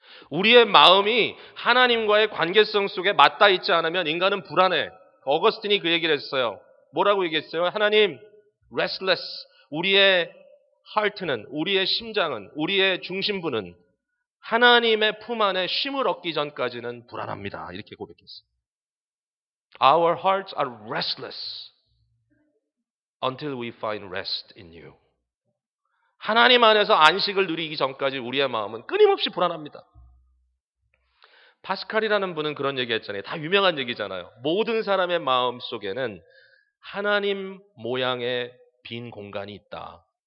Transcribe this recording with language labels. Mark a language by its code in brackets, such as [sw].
[ko] 우리의 마음이 하나님과의 관계성 속에 맞다 있지 않으면 인간은 불안해. 어거스틴이 그 얘기를 했어요. 뭐라고 얘기했어요? 하나님, restless. 우리의 heart는, 우리의 심장은, 우리의 중심부는 하나님의 품 안에 쉼을 얻기 전까지는 불안합니다. 이렇게 고백했어요. [en] Our hearts are restless until we find rest in you. [ko] 하나님 안에서 안식을 누리기 전까지 우리의 마음은 끊임없이 불안합니다. 파스칼이라는 분은 그런 얘기 했잖아요. 다 유명한 얘기잖아요. 모든 사람의 마음 속에는 하나님 모양의 빈 공간이 있다.